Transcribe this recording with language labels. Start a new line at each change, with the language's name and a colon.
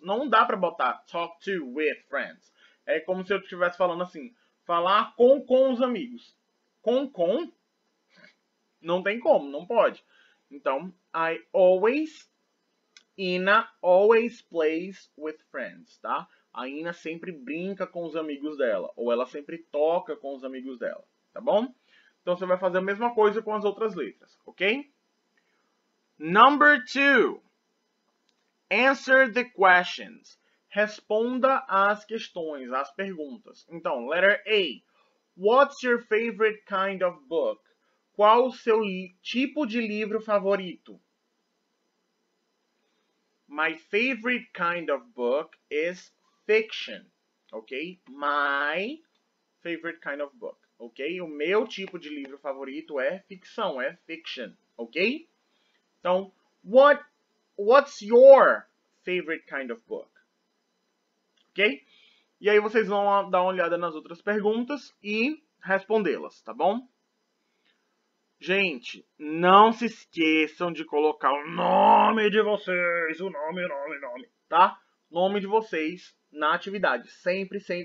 Portuguese: Não dá pra botar
English: talk to with friends.
Portuguese: É como se eu estivesse falando assim, falar com os amigos. Com? Não tem como, não pode.
English: Então, I always, Ina always plays with friends, tá?
Portuguese: A Ina sempre brinca com os amigos dela. Ou ela sempre toca com os amigos dela, tá bom? Então, você vai fazer a mesma coisa com as outras letras, ok?
English: Number two. Answer the questions.
Portuguese: Responda às questões, às perguntas. Então, letter A.
English: What's your favorite kind of book?
Portuguese: Qual o seu tipo de livro favorito?
English: My favorite kind of book is fiction, ok? My favorite kind of book. Ok?
Portuguese: O meu tipo de livro favorito é ficção, é fiction. Ok?
English: Então, what's your favorite kind of book? Ok?
Portuguese: E aí vocês vão dar uma olhada nas outras perguntas e respondê-las, tá bom? Gente, não se esqueçam de colocar o nome de vocês, o nome, tá? Nome de vocês na atividade, sempre.